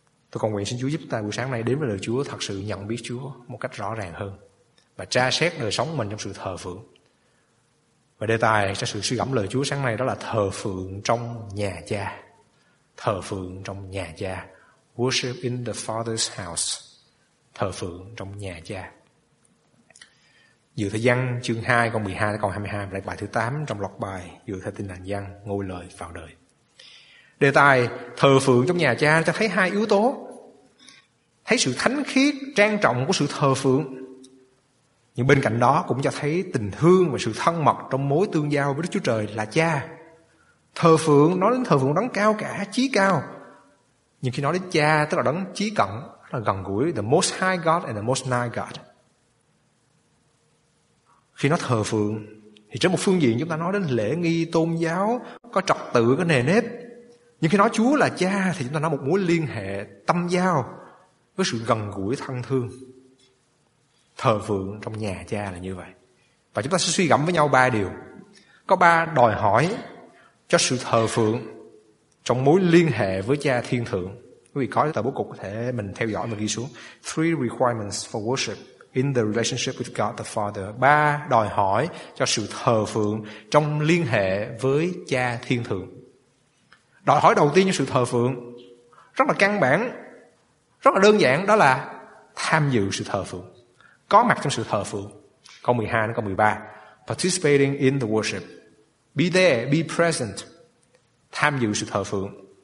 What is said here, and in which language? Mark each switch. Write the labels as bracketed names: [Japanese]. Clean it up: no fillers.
[Vietnamese] Tôi cầu nguyện xin Chúa giúp ta buổi sáng nay đến với lời Chúa, thật sự nhận biết Chúa một cách rõ ràng hơn và tra xét đời sống mình trong sự thờ phượng. Và đề tài cho sự suy gẫm lời Chúa sáng nay đó là thờ phượng trong nhà Cha. Thờ phượng trong nhà Cha. [English] Worship in the Father's house. [Vietnamese] Thờ phượng trong nhà Cha. Dựa theo Giăng chương 2 câu 12 đến câu 22 và bài thứ 8 trong loạt bài dựa theo Tin Lành Giăng, Ngôi Lời Vào Đời. Đề tài thờ phượng trong nhà Cha cho thấy 2 yếu tố. Thấy sự thánh khiết, trang trọng của sự thờ phượng. Nhưng bên cạnh đó cũng cho thấy tình thương và sự thân mật trong mối tương giao với Đức Chúa Trời là Cha. Thờ phượng nói đến thờ phượng đấng cao cả, chí cao. Nhưng khi nói đến Cha tức là đấng chí cận, là gần gũi, [English] the most high God and the most nigh God. [Vietnamese] Khi nó thờ phượng thì trên một phương diện chúng ta nói đến lễ nghi tôn giáo, có trật tự, có nề nếp. Nhưng khi nói Chúa là Cha thì chúng ta nói một mối liên hệ tâm giao với sự gần gũi thân thương. Thờ phượng trong nhà Cha là như vậy. Và chúng ta sẽ suy gẫm với nhau ba điều. Có ba đòi hỏi cho sự thờ phượng trong mối liên hệ với Cha Thiên Thượng. Quý vị có tờ bố cục có thể mình theo dõi và ghi xuống. [English] Three requirements for worship in the relationship with God the Father. [Vietnamese] Ba đòi hỏi cho sự thờ phượng trong liên hệ với Cha Thiên Thượng. Đòi hỏi đầu tiên cho sự thờ phượng rất là căn bản, rất là đơn giản, đó là tham dự sự thờ phượng, có mặt trong sự thờ phượng. Câu 12 đến câu 13, participating in the worship, be there, be present, tham dự sự thờ phượng.